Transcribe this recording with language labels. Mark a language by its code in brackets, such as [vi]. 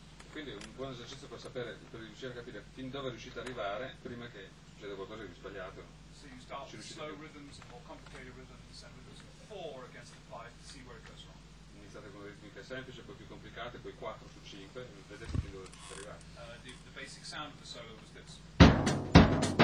[it] Quindi è un buon esercizio per sapere, per riuscire a capire fin dove riuscite ad arrivare prima che succeda qualcosa di sbagliato. [en] So you start with slow rhythms, more complicated rhythms, and with the 4 against the 5 to see where it goes wrong. [it] iniziate con ritmiche semplici, poi più complicate, poi 4 su 5, vedete fin dove potete arrivare. [en] The basic sound of the solo was this.